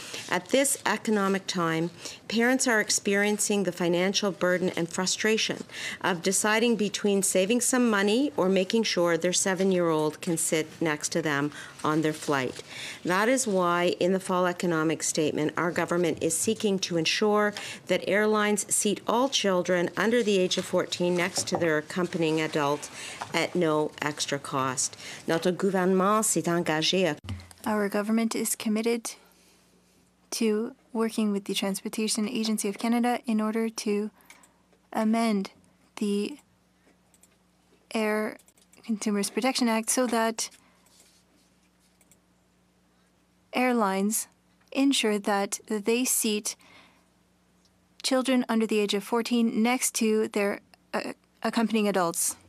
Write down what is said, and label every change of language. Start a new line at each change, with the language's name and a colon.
English: At this economic time, parents are experiencing the financial burden and frustration of deciding between saving some money or making sure their 7-year-old can sit next to them on their flight. That is why, in the fall economic statement, our government is seeking to ensure that airlines seat all children under the age of 14 next to their accompanying adult at no extra cost.
French: Notre gouvernement s'est engagé.
English: Our government is committed to working with the Transportation Agency of Canada in order to amend the Air Consumers Protection Act so that airlines ensure that they seat children under the age of 14 next to their accompanying adults.